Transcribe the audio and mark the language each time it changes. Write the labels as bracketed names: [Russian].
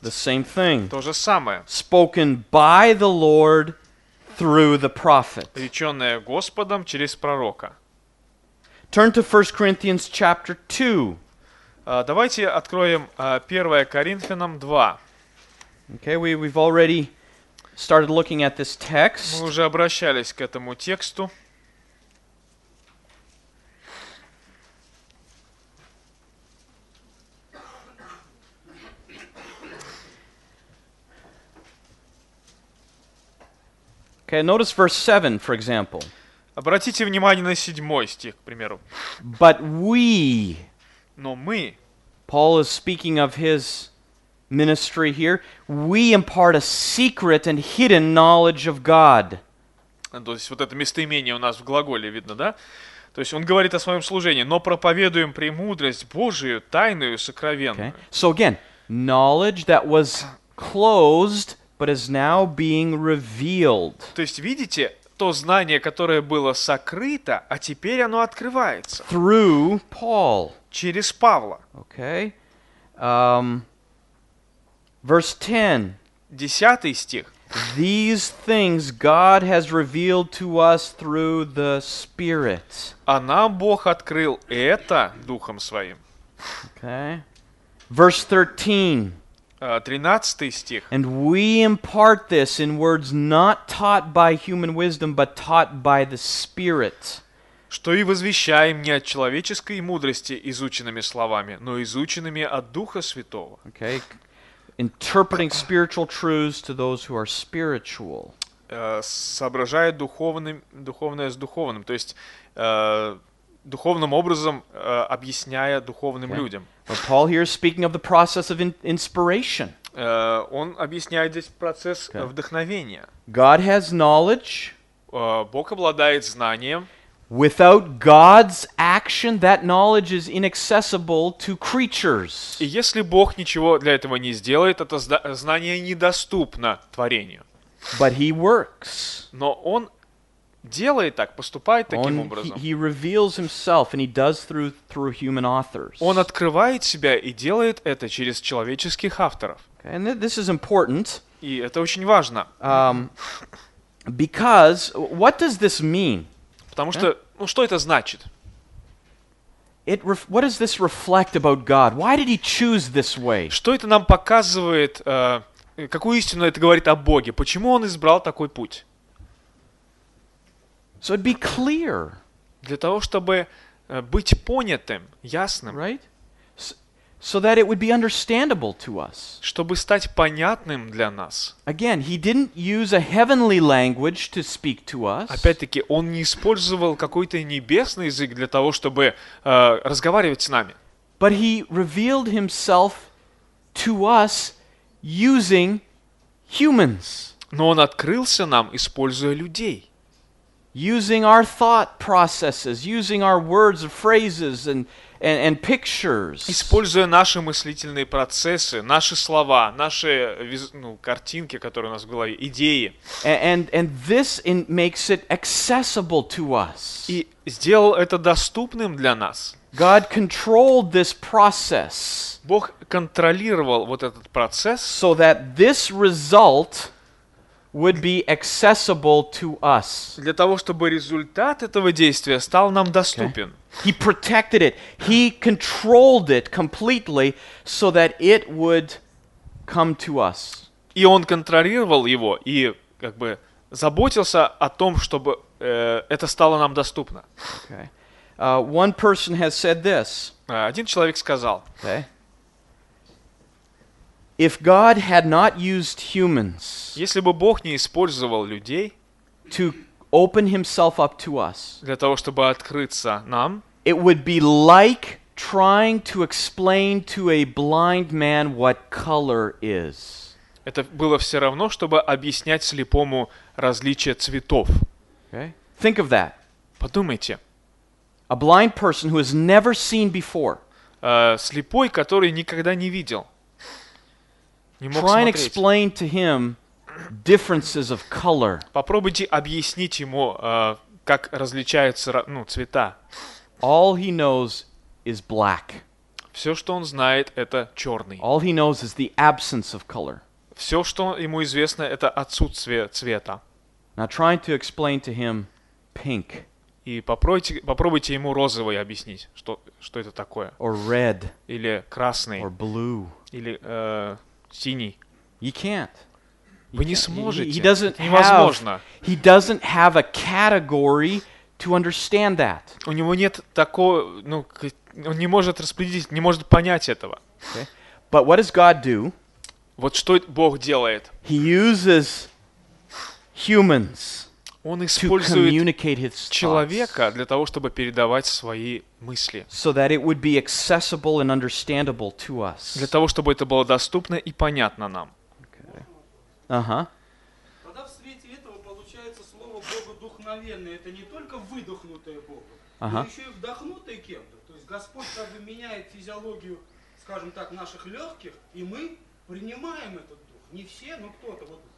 [English] The same thing. [Russian] То же самое. [English] Spoken by the Lord through the prophet. [Russian] Речённое Господом через пророка. [English] Turn to 1 Corinthians chapter 2. [Russian] Давайте откроем 1 Коринфянам 2. [English] Okay, we've already started looking at this text. [Russian] Мы уже обращались к этому тексту. [English] Okay, notice verse 7, for example. [Russian] Обратите внимание на 7 стих, к примеру. [English] But we. [Russian] Но мы. [English] Paul is speaking of his ministry here. We impart a secret and hidden knowledge of God. [Russian] То есть вот это местоимение у нас в глаголе видно, да? То есть он говорит о своем служении, но проповедуем премудрость Божию, тайную, сокровенную. [English] Okay. So again, knowledge that was closed, but is now being revealed. [Russian] То есть видите, то знание, которое было сокрыто, а теперь оно открывается. [English] Through Paul. [Russian] Через Павла. [English] Okay. Verse 10. [Russian] Десятый стих. [English] These things God has revealed to us through the Spirit. [Russian] А нам Бог открыл это Духом Своим. [English] Okay. Verse 13. [Russian] 13 стих. [English] And we impart this in words not taught by human wisdom, but taught by the Spirit. [Russian] Что и возвещаем не от человеческой мудрости изученными словами, но изученными от Духа Святого. [English] Okay. Interpreting spiritual truths to those who are spiritual. [Russian] Соображая духовное с духовным, то есть духовным образом объясняя духовным [English] okay. [Russian] людям. [English] But Paul here is speaking of the process of inspiration. [Russian] Он объясняет здесь процесс [English] okay. [Russian] вдохновения. [English] God has knowledge. [Russian] Бог обладает знанием. [English] Without God's action, that knowledge is inaccessible to creatures. [Russian] И если Бог ничего для этого не сделает, это знание недоступно творению. [English] But He works. [Russian] Но Он делает так, поступает таким образом. [English] He reveals Himself, and He does through human authors. [Russian] Он открывает себя и делает это через человеческих авторов. [English] Okay, and this is important. [Russian] И это очень важно. [English] Because what does this mean? [Russian] Потому что, ну что это значит? [English] What does this reflect about God? Why did He choose this way? [Russian] Что это нам показывает, какую истину это говорит о Боге? Почему Он избрал такой путь? [English] So it'd be clear. [Russian] Для того, чтобы быть понятым, ясным. [English] Right? So that it would be understandable to us. [Russian] Чтобы стать понятным для нас. [English] Again, he didn't use a heavenly language to speak to us. [Russian] Опять-таки, он не использовал какой-то небесный язык для того, чтобы разговаривать с нами. [English] But he revealed himself to us using humans. [Russian] Но он открылся нам, используя людей. [English] using our thought processes, using our words and phrases and pictures. [Russian] Используя наши мыслительные процессы, наши слова, наши картинки, которые у нас в голове, идеи. [English] And this makes it accessible to us. [Russian] И сделал это доступным для нас. [English] God controlled this process. [Russian] Бог контролировал вот этот процесс, [English] so that this result would be accessible to us. [Russian] Для того, чтобы результат этого действия стал нам доступен. [English] Okay. He protected it. He controlled it completely so that it would come to us. [Russian] И он контролировал его и как бы заботился о том, чтобы это стало нам доступно. [English] Okay. One person has said this. [Russian] Один человек сказал. [English] Okay. If God had not used humans, [Russian] если бы Бог не использовал людей, [English] to open himself up to us, [Russian] для того, чтобы открыться нам, [English] it would be like trying to explain to a blind man what color is. [Russian] Это было все равно, чтобы объяснять слепому различие цветов. [English] Okay. Think of that. [Russian] Подумайте. [English] A blind person who has never seen before. [Russian] Слепой, который никогда не видел. Не мог смотреть. [English] Try and explain to him differences of color. [Russian] Попробуйте объяснить ему, как различаются, цвета. [English] All he knows is black. [Russian] Все, что он знает, это черный. [English] All he knows is the absence of color. [Russian] Все, что ему известно, это отсутствие цвета. [English] Now trying to explain to him pink. [Russian] И попробуйте ему розовый объяснить, что это такое. [English] Or red. [Russian] Или красный. [English] Or blue. [Russian] Или синий. [English] You can't. [Russian] Вы не сможете. [English] He doesn't [Russian] невозможно. [English] He doesn't have a category to understand that. [Russian] У него нет такого, он не может распределить, не может понять этого. [English] Okay. But what does God do? [Russian] Вот что Бог делает? [English] He uses humans. [Russian] Он использует человека для того, чтобы передавать свои мысли. [English] So that it would be accessible and understandable to us. [Russian] Для того, чтобы это было доступно и понятно нам. Тогда в свете этого получается слово Бога вдохновенное. Это не только выдохнутое Богом, но еще и вдохнутое кем-то. То есть Господь как бы меняет физиологию, скажем так, наших легких, и мы принимаем этот дух. Не все, но кто-то. Вот.